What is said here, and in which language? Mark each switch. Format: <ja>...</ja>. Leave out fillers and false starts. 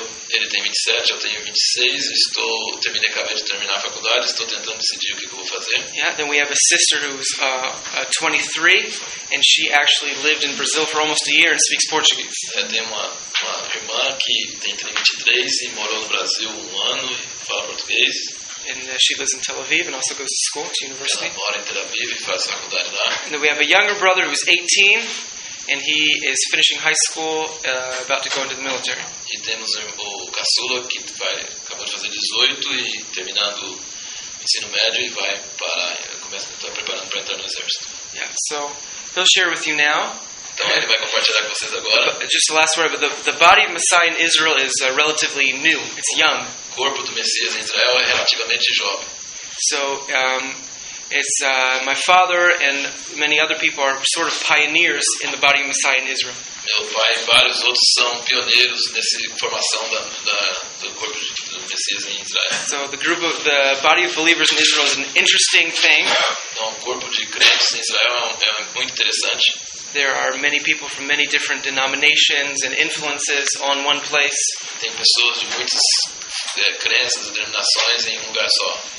<pt>Ele tem 27, eu tenho 26, acabei de terminar a faculdade, estou tentando decidir o que eu vou fazer.</pt> <en>Yeah, then we have a sister who's 23, and she actually lived in Brazil for almost a year and speaks Portuguese.</en> <pt>Tem uma irmã que tem 23 e morou no Brasil 1 ano e fala português.</pt> <en>And she lives in Tel Aviv and also goes to school, to university.</en> <pt>Ela mora em Tel Aviv e faz faculdade lá.</pt> <en>And then we have a younger brother who's 18, and he is finishing high school, about to go into the military.</en> <pt>E temos o caçula que acabou de fazer 18 e terminando ensino médio e vai para está preparando para entrar no exército.</pt> <en>Yeah, so he'll share with you now.</en> <pt>Então ele vai compartilhar com vocês agora.</pt> <en>Just the last word, but the body of Messiah in Israel is relatively new. It's young.</en> <pt>O corpo do Messias em Israel é relativamente jovem.</pt> <en>So It's my father and many other people are sort of pioneers in the body of Messiah in Israel.</en> <pt>Meu pai e vários outros são pioneiros nessa formação do corpo do Messias em Israel.</pt> <en>So the group of the body of believers in Israel is an interesting thing.</en> <pt>Então, o corpo de crentes em Israel é muito interessante.</pt> <en>There are many people from many different denominations and influences on one place.</en> <pt>Tem pessoas de muitas crenças e denominações em lugar só.</pt>